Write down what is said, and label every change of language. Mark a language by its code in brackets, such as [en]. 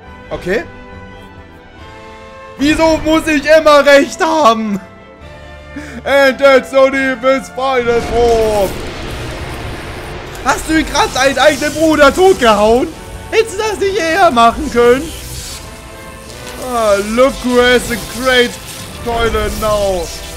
[de] Okay. Wieso muss ich immer recht haben? [en] And that's the deepest final form. [de] Hast du gerade deinen eigenen Bruder totgehauen? Hättest du das nicht eher machen können? [en] Ah, look who has a great toilet now.